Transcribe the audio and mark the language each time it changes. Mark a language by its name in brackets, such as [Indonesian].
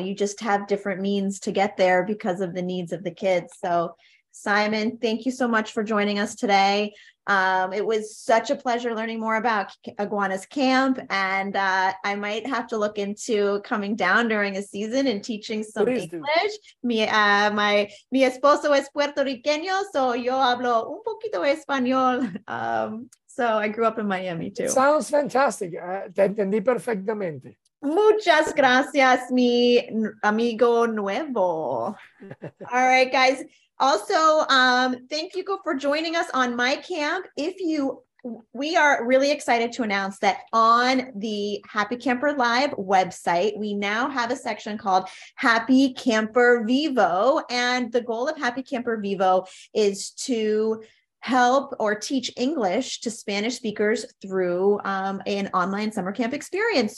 [English] You just have different means to get there because of the needs of the kids. So Simon, thank you so much for joining us today. It was such a pleasure learning more about Iguanas Camp, and I might have to look into coming down during a season and teaching some English. [Spanish] Mi esposo es puertorriqueño, so yo hablo un poquito español. [English] So I grew up in Miami too. It sounds fantastic. [Spanish] Te entendí perfectamente. Muchas gracias, mi amigo nuevo. [English] All right, guys. Also, thank you for joining us on my camp. We are really excited to announce that on the Happy Camper Live website, we now have a section called Happy Camper Vivo. And the goal of Happy Camper Vivo is to help or teach English to Spanish speakers through an online summer camp experience.